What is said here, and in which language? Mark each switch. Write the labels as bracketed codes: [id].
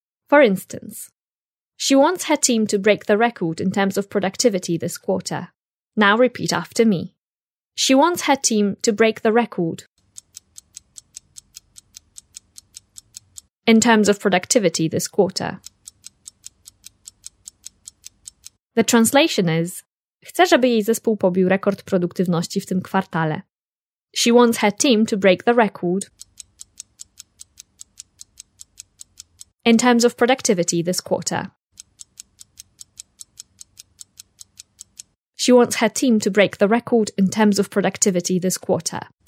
[en] For instance, she wants her team to break the record in terms of productivity this quarter. Now repeat after me. She wants her team to break the record in terms of productivity this quarter. The translation is: [pl] chce, żeby jej zespół pobił rekord produktywności w tym kwartale. [en] She wants her team to break the record in terms of productivity this quarter. She wants her team to break the record in terms of productivity this quarter.